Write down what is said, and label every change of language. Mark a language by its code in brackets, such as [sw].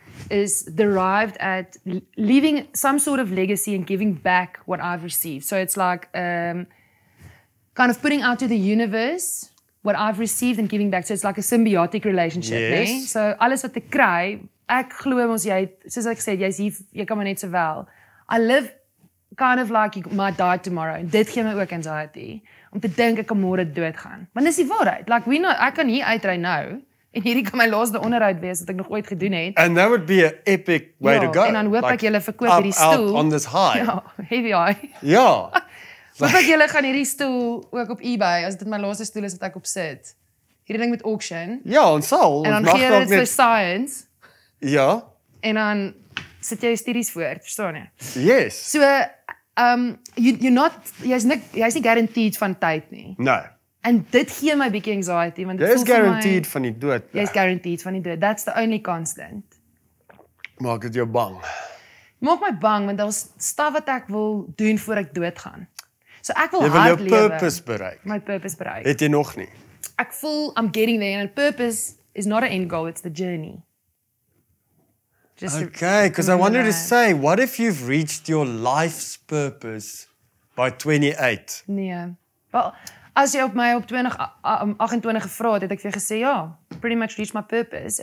[en] is derived at leaving some sort of legacy and giving back what I've received. So it's like kind of putting out to the universe what I've received and giving back. So it's like a symbiotic relationship, yes, nee? [af] So alles wat ek kry, ek glo mos jy, soos ek sê, jy's hier, jy kan maar net sowel. [en] I live kind of like my die tomorrow. [af] Dit gee my ook [en] anxiety. [af] Om te dink ek kan môre doodgaan. Want dis die waarheid. [en] Like we know [af] ek kan hier uitry nou en hierdie kan my laaste onderhoud wees wat ek nog ooit gedoen het. [en] And that would be an epic way to go. [af] En dan hoop ek julle verkoop hierdie stoel. [en] Up on this high. Ja, heavy high. [af] Ja. Hoop ek julle gaan hierdie stoel ook op eBay as dit my laaste stoel is wat ek op sit. Hierdie ding met auction. Ja, ons sal. En dan gee dit vir science. Ja. En dan sit jy studies voort, verstaan jy? [en] Yes. [af] So jy's nie guaranteed van tyd nie. [en] No. [af] En dit gee my bietjie anxiety want dit is guaranteed van die dood. Jy's guaranteed van die dood. [en] That's the only constant. [af] Maak dit jou bang. Maak my bang want daar's stuff wat ek wil doen voor ek doodgaan. So ek wil hard lewe. Jy wil jou purpose bereik. My purpose bereik. Het jy nog nie? Ek voel [en] I'm getting there and purpose is not an end goal, it's the journey. Just okay, because I wanted to say, what if you've reached your life's purpose by 28? [af] Nee. Well, as jy op my op 28 gevra het, het ek vir jou gesê, ja, [en] pretty much reached my purpose.